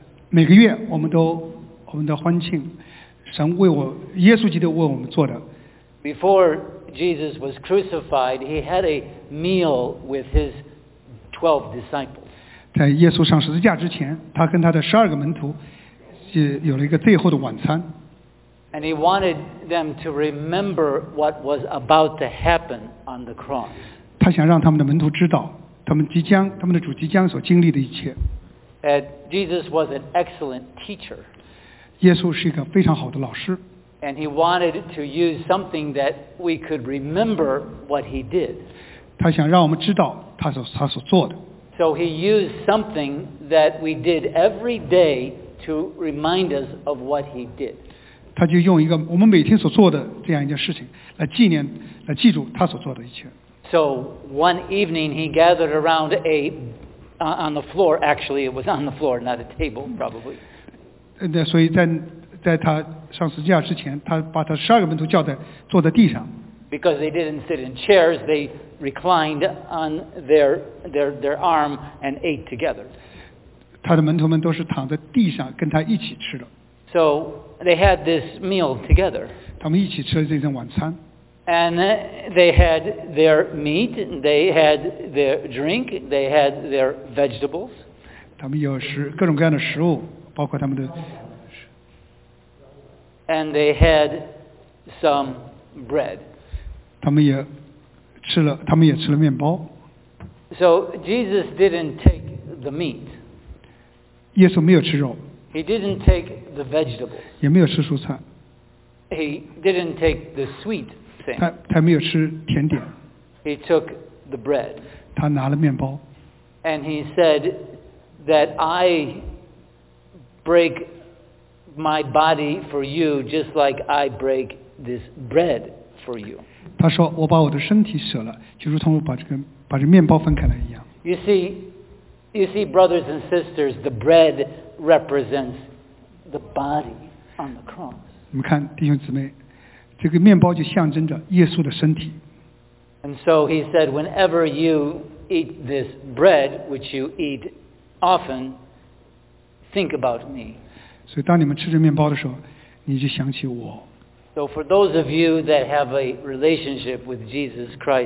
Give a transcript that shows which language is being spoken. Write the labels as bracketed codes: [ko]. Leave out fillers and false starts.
[zh] 每个月我们都欢庆神为我耶稣基督为我们做的。 [en] Before Jesus was crucified, he had a meal with his 12 disciples. [zh] 在耶稣上十字架之前，他跟他的十二个门徒有了一个最后的晚餐。 [en] And he wanted them to remember what was about to happen on the cross. [zh] 他想让他们的门徒知道。他们的主即将所经历的一切。 [en] And Jesus was an excellent teacher. [zh] 耶稣是一个非常好的老师。 [en] And he wanted to use something that we could remember what he did. [zh] 他想让我们知道他所做的。 [en] So he used something that we did every day to remind us of what he did. [zh] 他就用一个我们每天所做的这样一件事情来纪念，来记住他所做的一切。 [en] So one evening he gathered around on the floor, actually it was on the floor, not a table, probably. [zh] 所以在他上十字架之前，他把他十二个门徒叫在坐在地上。 [en] Because they didn't sit in chairs, they reclined on their arm and ate together. [zh] 他的门徒们都是躺在地上跟他一起吃的。 [en] So they had this meal together. [zh] 他们一起吃了这顿晚餐。 [en] And they had their meat, they had their drink, they had their vegetables. [zh] 他们有各种各样的食物，包括他们的。 [en] And they had some bread. [zh] 他们也吃了面包。 [en] So Jesus didn't take the meat. [zh] 耶稣没有吃肉。 [en] He didn't take the vegetables. [zh] 也没有吃蔬菜。 [en] He didn't take the sweet. [zh] 他没有吃甜点。 [en] He took the bread. [zh] 他拿了面包。 [en] And he said that I break my body for you, just like I break this bread for you. [zh] 他说我把我的身体舍了，就如同我把这面包分开了一样。 [en] You see, brothers and sisters, the bread represents the body on the cross. [zh] 你们看，弟兄姊妹。这个面包就象征着耶稣的身体。 [en] And so he said, whenever you eat this bread, which you eat often, think about me. [zh] 所以当你们吃着面包的时候，你就想起我。 [en] So for those of you that have a relationship with Jesus Christ,